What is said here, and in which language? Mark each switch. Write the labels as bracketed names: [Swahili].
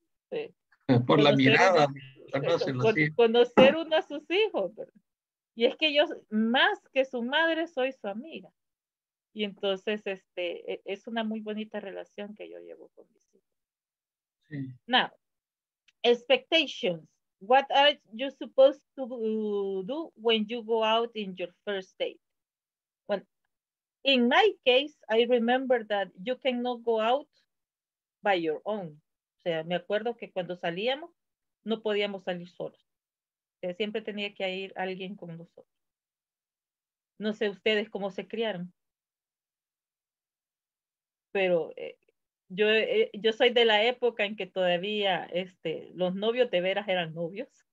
[Spanish] Sí. Por la mirada. Conocer uno a sus hijos, ¿verdad? Y es que yo más que su madre soy su amiga y entonces es una muy bonita relación que yo llevo con mis hijos. Sí. [English] Now, expectations. What are you supposed to do when you go out in your first date? Well, in my case, I remember that you cannot go out by your own. [Spanish] O sea, me acuerdo que cuando salíamos no podíamos salir solos. O sea, siempre tenía que ir alguien con nosotros. No sé ustedes cómo se criaron. Pero yo soy de la época en que todavía los novios de veras eran novios.